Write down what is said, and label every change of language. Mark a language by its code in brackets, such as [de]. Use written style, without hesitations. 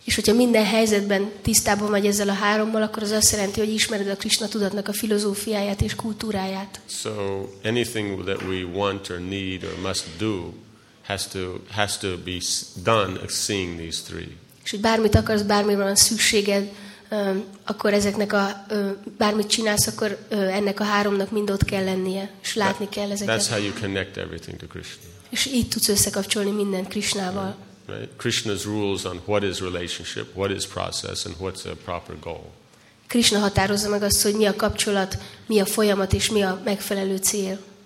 [hu] És hogyha minden helyzetben tisztában vagy ezzel a hárommal, akkor az azt jelenti, hogy ismered a Krishna tudatnak a filozófiáját és kultúráját. [en] So anything that we want or need or must do has to be done seeing these three. [hu] És hogy bármit akarsz, bármi van szükséged, akkor ezeknek a bármit csinálsz, akkor ennek a háromnak mind ott kell lennie, és látni kell ezeket. [en] That's how you connect everything to Krishna. [hu] És így tudsz összekapcsolni mindent Krishnával. [en] Right. Krishna's rules on what is relationship, what is process, and what's a proper goal. [hu] Krishna határozza meg azt, hogy mi a kapcsolat, mi a folyamat és mi a megfelelő cél.